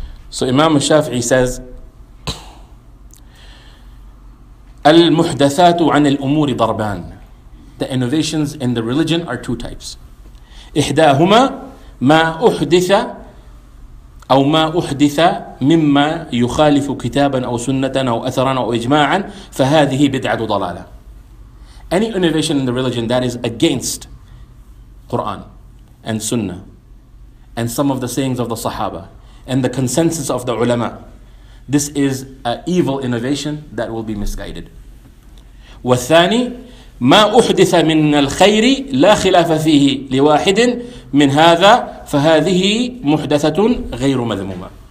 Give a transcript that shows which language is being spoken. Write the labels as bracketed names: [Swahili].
[English] So Imam al-Shafi'i says, [Arabic] المحدثاتُ عن الأمور ضربان. [English] The innovations in the religion are two types. [Arabic] إحداهما ما أحدث أو ما أحدث مما يخالف كتابا أو سنة أو أثرا أو إجماعا فهذه بدعة ضلالة. [English] Any innovation in the religion that is against Quran and Sunnah and some of the sayings of the Sahaba and the consensus of the ulama, this is an evil innovation that will be misguided. [Arabic] والثاني ما أحدث من الخير لا خلاف فيه لواحد من هذا فهذه محدثة غير مذمومة.